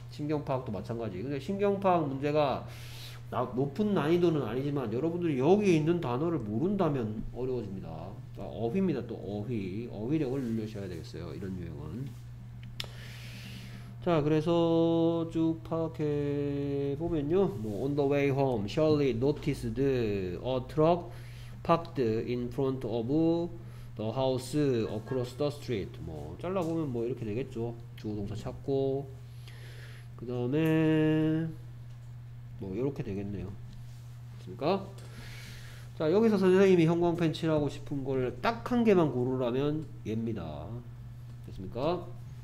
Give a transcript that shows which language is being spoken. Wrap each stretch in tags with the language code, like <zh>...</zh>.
<ko>신경파악도 마찬가지. 근데 신경파악 문제가 높은 난이도는 아니지만 여러분들이 여기에 있는 단어를 모른다면 어려워집니다. 자, 어휘입니다. 또 어휘. 어휘력을 늘려셔야 되겠어요. 이런 유형은. 자, 그래서 쭉 파악해 보면요.</ko> <en>뭐, on the way home, Shirley noticed a truck parked in front of the house across the street.</en> <ko>뭐, 잘라보면 뭐, 이렇게 되겠죠. 주어동사 찾고. 그 다음에, 뭐, 이렇게 되겠네요. 됐습니까? 자, 여기서 선생님이 형광펜 칠하고 싶은 걸 딱 한 개만 고르라면 얘입니다. 됐습니까?</ko>